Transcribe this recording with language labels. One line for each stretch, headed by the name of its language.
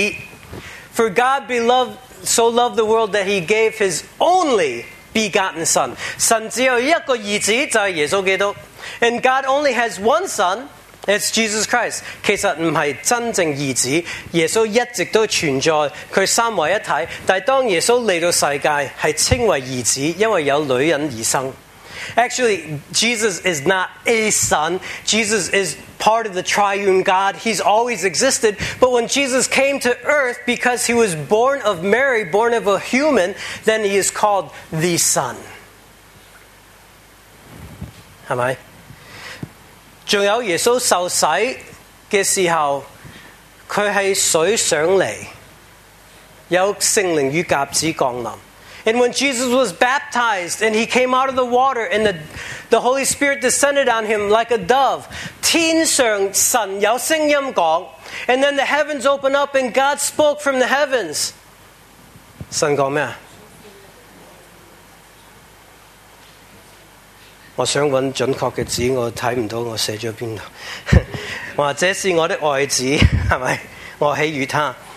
English: For God so loved the world that he gave his only begotten son
Chinese: 神只有一个儿子就是耶稣基督
English: And God only has one son It's Jesus Christ
Chinese: 其实不是真正儿子耶稣一直都存在他三位一体但当耶稣来到世界是称为儿子因为有女人而生
English: Actually, Jesus is not a son Jesus is part of the triune God He's always existed But when Jesus came to earth because he was born of Mary born of a human then he is called the son
Chinese: 是吗还有耶稣受洗的时候他是水上来有圣灵与鸽子降临
English: And when Jesus was baptized and he came out of the water and the Holy Spirit descended on him like a dove
Chinese: 天上神有声音讲
English: And then the heavens opened up and God spoke from the heavens
Chinese: 神说什么我想找准确的字我看不到我写了哪里我说这是我的爱子是不是我喜与他